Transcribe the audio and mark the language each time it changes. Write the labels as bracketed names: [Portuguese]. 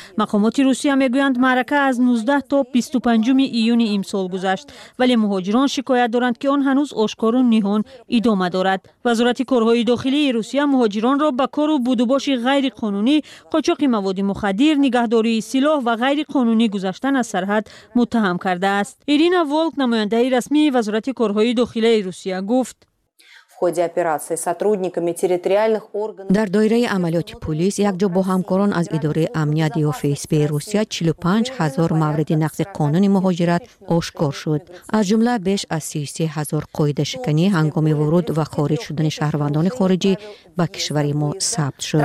[Persian] مقامات روسیه میگویند معرکه از 19 تا 25 ایون امسال گذشت، ولی مهاجران شکایت دارند که آن هنوز آشکار و نهان ادامه دارد. وزارت کارهای داخلی روسیه مهاجران را به کار و بودوباش غیر قانونی، قاچاق مواد مخدر، نگهداری سلاح و غیر قانونی گذشتن از سرحد متهم کرده است. ایرینا ولک نماینده رسمی وزارت کارهای داخلی روسیه گفت [Russian] ходе операции сотрудниками территориальных органов. [Tajik] Дар дойраи амалиёти полис як ҷо бо ҳамкорон аз идораи амнияти ФСБ-и Русия 45000 мавриди нақзи қонуни муҳоҷират ошкор шуд. Аз ҷумла беш аз 33000 қоидашиканӣ ҳангоми ворид ва хориҷ шудани шаҳрвандони хориҷӣ ба кишвари мо сабт шуд.